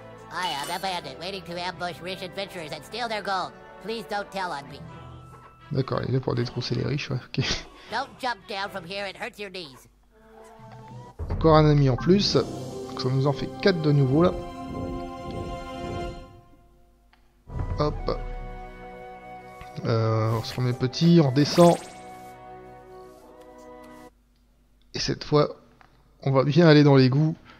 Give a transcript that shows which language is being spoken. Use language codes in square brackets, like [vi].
[en] I am a bandit waiting to ambush rich adventurers and steal their gold. Please don't tell on me. [fr] D'accord, il est pour détrousser les riches, ouais, ok. [en] Don't jump down from here, it hurts your knees. [fr] Encore un ami en plus. Donc ça nous en fait 4 de nouveau là. Hop. On se remet petit, on descend. Et cette fois, on va bien aller dans l'égout.